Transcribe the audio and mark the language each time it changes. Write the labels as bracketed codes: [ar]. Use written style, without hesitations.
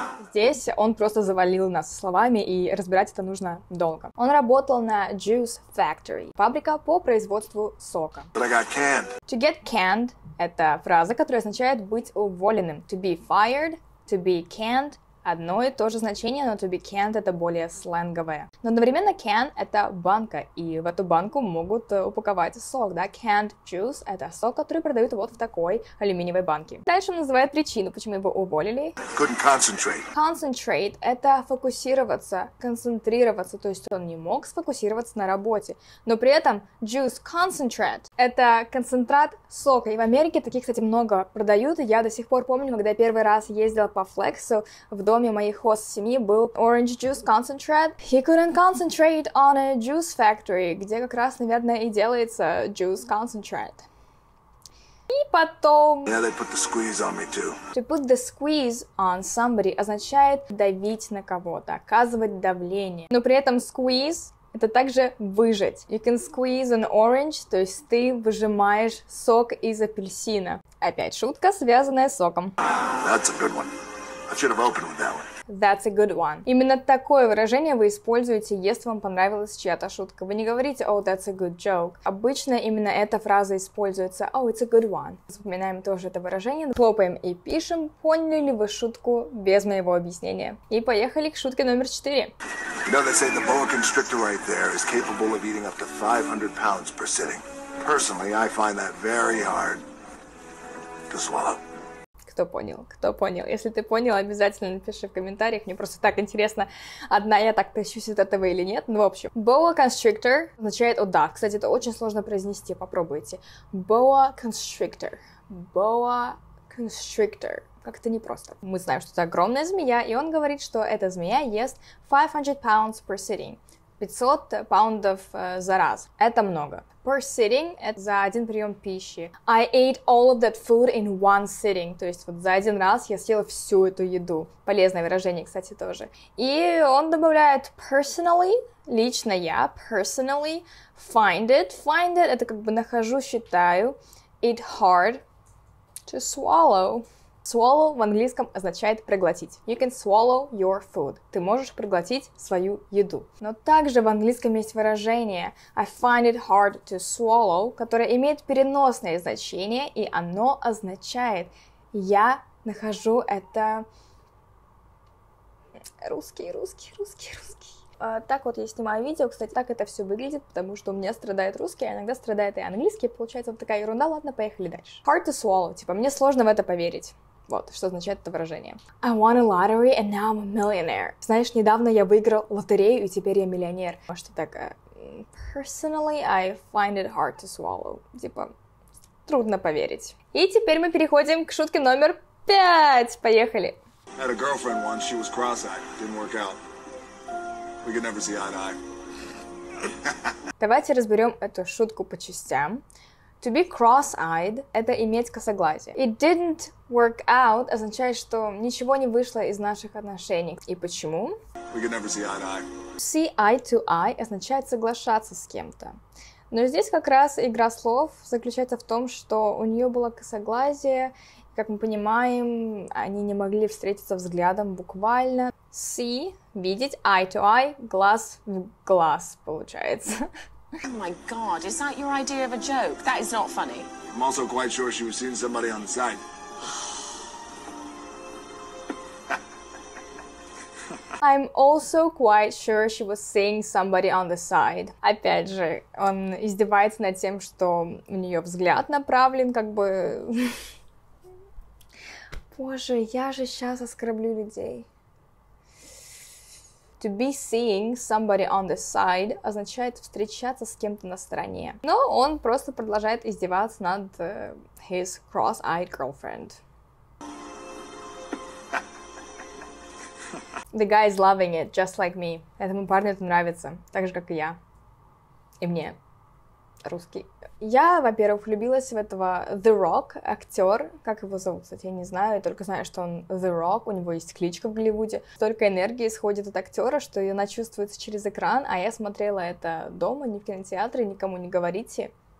[ru] Здесь он просто завалил нас словами, и разбирать это нужно долго. Он работал на [en] juice factory, [ru] фабрика по производству сока. [en] But I got canned. To get canned. [ru] Это фраза, которая означает быть уволенным. [en] To be fired, to be canned. [ru] Одно и то же значение, но [en] to be canned [ru] – это более сленговое. Но одновременно can – это банка, и в эту банку могут упаковать сок, да? [en] Canned juice [ru] – это сок, который продают вот в такой алюминиевой банке. Дальше он называет причину, почему его уволили. [en] Couldn't concentrate. [ru] Concentrate – это фокусироваться, концентрироваться, то есть он не мог сфокусироваться на работе. Но при этом [en] juice concentrate [ru] – это концентрат сока. И в Америке таких, кстати, много продают. Я до сих пор помню, когда я первый раз ездила по флексу, в доме моей хост-семьи был [en] orange juice concentrate. Couldn't concentrate on a juice factory, [ru] где как раз, наверное, и делается [en] juice concentrate. [ru] И потом... [en] Yeah, they put the squeeze on me too. To put the squeeze on somebody [ru] означает давить на кого-то, оказывать давление. Но при этом squeeze — это также выжать. [en] You can squeeze an orange, [ru] то есть ты выжимаешь сок из апельсина. Опять шутка, связанная с соком. [en] That's a good one. I should have opened with that one. That's a good one. [ru] Именно такое выражение вы используете, если вам понравилась чья-то шутка. Вы не говорите, [en] oh, that's a good joke. [ru] Обычно именно эта фраза используется, [en] oh, it's a good one. [ru] Вспоминаем тоже это выражение, хлопаем и пишем, поняли ли вы шутку без моего объяснения. И поехали к шутке номер 4. [en] You know, they say the boa constrictor right there is capable of eating up to 500 pounds per sitting. Personally, I find that very hard to swallow. [ru] Кто понял? Кто понял? Если ты понял, обязательно напиши в комментариях. Мне просто так интересно, одна я так тащусь от этого или нет. Ну, в общем, boa constrictor означает удав. Кстати, это очень сложно произнести, попробуйте. [en] Boa constrictor. Boa constrictor. [ru] Как-то непросто. Мы знаем, что это огромная змея, и он говорит, что эта змея ест [en] 500 pounds per sitting. [ru] 500 паундов за раз. Это много. [en] Per sitting [ru] – это за один прием пищи. [en] I ate all of that food in one sitting. [ru] То есть вот за один раз я съела всю эту еду. Полезное выражение, кстати, тоже. И он добавляет personally, лично я, [en] personally, find it [ru] – это как бы нахожу, считаю, [en] it hard to swallow. [ru] Swallow в английском означает проглотить. [en] You can swallow your food. [ru] Ты можешь проглотить свою еду. Но также в английском есть выражение [en] I find it hard to swallow, [ru] которое имеет переносное значение, и оно означает я нахожу это... Русский. Так вот я снимаю видео, кстати, так это все выглядит, потому что у меня страдает русский, а иногда страдает и английский. Получается вот такая ерунда. Ладно, поехали дальше. [en] Hard to swallow. [ru] Типа мне сложно в это поверить. Вот, что означает это выражение. [en] I won a lottery and now I'm a millionaire. [ru] Знаешь, недавно я выиграл лотерею, и теперь я миллионер. Может, ты так... [en] Personally, I find it hard to swallow. [ru] Типа, трудно поверить. И теперь мы переходим к шутке номер 5. Поехали. [en] I had a girlfriend once, she was cross-eyed. Didn't work out. We could never see eye to eye. [ru] Давайте разберем эту шутку по частям. [en] To be cross-eyed [ru] – это иметь косоглазие. [en] It didn't work out [ru] – означает, что ничего не вышло из наших отношений. И почему? [en] We could never see eye to eye. See eye to eye [ru] – означает соглашаться с кем-то. Но здесь как раз игра слов заключается в том, что у нее было косоглазие. Как мы понимаем, они не могли встретиться взглядом буквально. See – видеть, [en] eye to eye [ru] – глаз в глаз получается. [en] Oh my god, is that your idea of a joke? That is not funny. I'm also quite sure she was seeing somebody on the side. I'm also quite sure she was seeing somebody on the side. [ru] Опять же, он издевается над тем, что у нее взгляд направлен, как бы... Боже, я же сейчас оскорблю людей. [en] To be seeing somebody on the side [ru] означает встречаться с кем-то на стороне. Но он просто продолжает издеваться над [en] his cross-eyed girlfriend. The guy is loving it, just like me. [ru] Этому парню это нравится, так же, как и я. И мне. Русский. Я, во-первых, влюбилась в этого The Rock, актер, как его зовут, кстати, я не знаю, я только знаю, что он The Rock, у него есть кличка в Голливуде. Столько энергии исходит от актера, что она чувствуется через экран, а я смотрела это дома, не в кинотеатре, никому не говорите.